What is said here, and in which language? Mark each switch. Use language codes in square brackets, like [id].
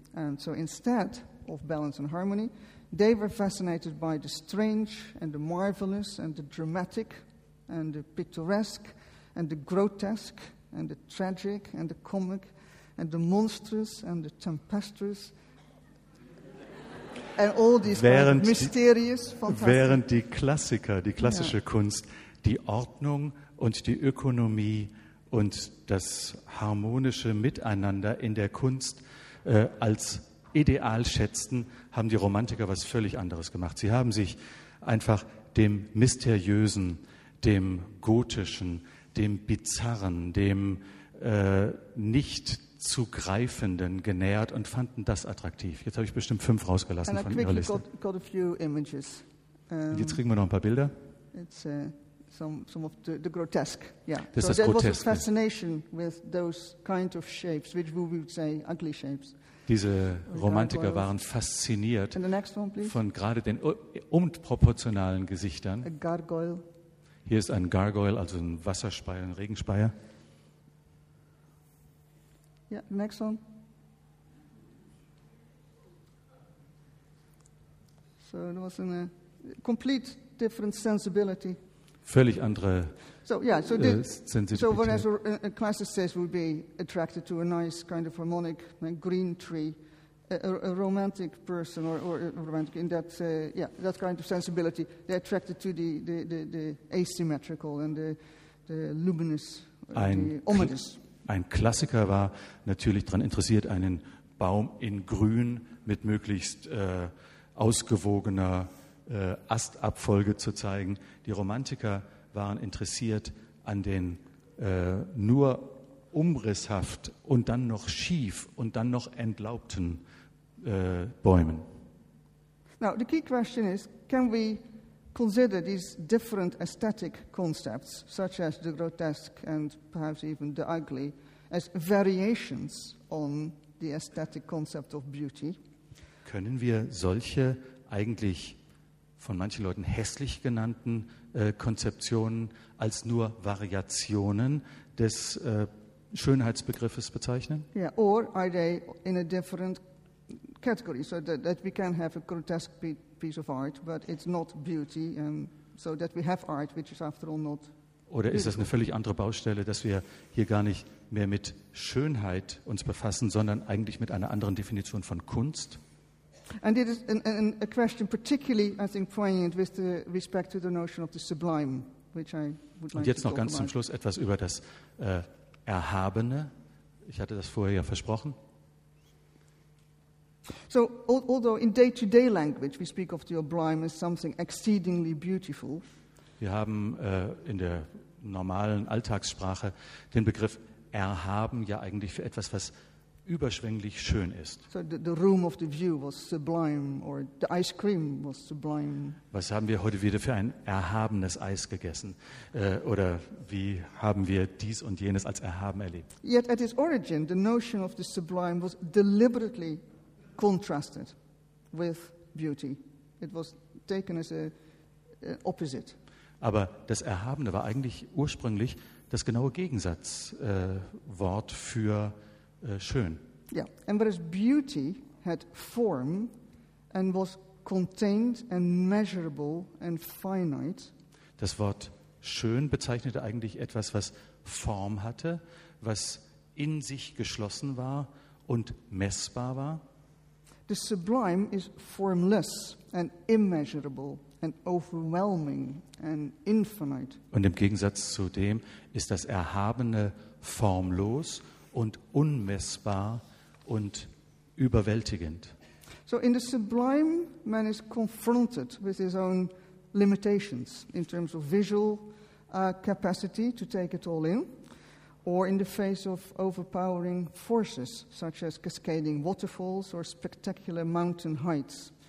[en] And so instead of balance and harmony, they were fascinated by the strange and the marvelous and the dramatic and the picturesque and the grotesque and the tragic and the comic and the monstrous and the tempestuous and all these kind of mysterious, fantastic. [de] Während die Klassiker, die klassische Kunst, die Ordnung und die Ökonomie und das harmonische Miteinander in der Kunst als ideal schätzten, haben die Romantiker was völlig anderes gemacht. Sie haben sich einfach dem Mysteriösen, dem Gotischen, dem Bizarren, dem nicht zu greifenden genähert und fanden das attraktiv. Jetzt habe ich bestimmt 5 rausgelassen von Ihrer Liste. [en] Got a few images. [de] Jetzt kriegen wir noch ein paar Bilder. [en] It's some of the grotesque. Yeah. [de] Das so ist das [en] there [de] Groteske. [en] Was a fascination with those kind of shapes, which we would say ugly shapes. [de] Diese Romantiker waren fasziniert von gerade den unproportionalen Gesichtern. Hier ist ein Gargoyle, also ein Wasserspeier, ein Regenspeier. [en] Ja, next one. So, there was a complete different sensibility. [de] Völlig andere. [en] So yeah, so whereas a classicist would be attracted to a nice kind of harmonic green tree, a romantic person or romantic in that that kind of sensibility, they're attracted to the asymmetrical and the luminous, the ominous. [de] Ein Klassiker war natürlich daran interessiert, einen Baum in Grün mit möglichst ausgewogener Astabfolge zu zeigen. Die Romantiker waren interessiert an den nur umrisshaft und dann noch schief und dann noch entlaubten Bäumen. [en] Now the key question is, can we consider these different aesthetic concepts, such as the grotesque and perhaps even the ugly, as variations on the aesthetic concept of beauty? [de] Können wir solche eigentlich von manchen Leuten hässlich genannten Konzeptionen als nur Variationen des Schönheitsbegriffes bezeichnen? [en] Yeah, or are they in a different category, so that we can have a grotesque piece of art, but it's not beauty, so that we have art, which is after all not. [de] Oder ist das eine völlig andere Baustelle, dass wir hier gar nicht mehr mit Schönheit uns befassen, sondern eigentlich mit einer anderen Definition von Kunst? [en] And it is a question particularly, I think, poignant with the respect to the notion of the sublime, which I would like to. [de] Und jetzt [en] to [de] noch ganz [en] about. [de] Zum Schluss etwas über das Erhabene. Ich hatte das vorher ja versprochen. [en] So, although in day-to-day language we speak of the sublime as something exceedingly beautiful. [de] Wir haben in der normalen Alltagssprache den Begriff Erhaben ja eigentlich für etwas, was überschwänglich schön ist. [en] So the room of the view was sublime, or the ice cream was sublime. [de] Was haben wir heute wieder für ein erhabenes Eis gegessen? Oder wie haben wir dies und jenes als erhaben erlebt? [en] Yet at its origin, the notion of the sublime was deliberately contrasted with beauty. It was taken as an opposite. [de] Aber das Erhabene war eigentlich ursprünglich das genaue Gegensatzwort für schön. [en] Yeah, and whereas beauty had form and was contained and measurable and finite. [de] Das Wort schön bezeichnete eigentlich etwas, was Form hatte, was in sich geschlossen war und messbar war. [en] The sublime is formless and immeasurable and overwhelming and infinite. [de] Und im Gegensatz zu dem ist das Erhabene formlos und unmessbar und überwältigend. [en] So in the sublime, man is confronted with his own limitations in terms of visual capacity to take it all in, or in the face of overpowering forces such as cascading waterfalls or spectacular mountain heights.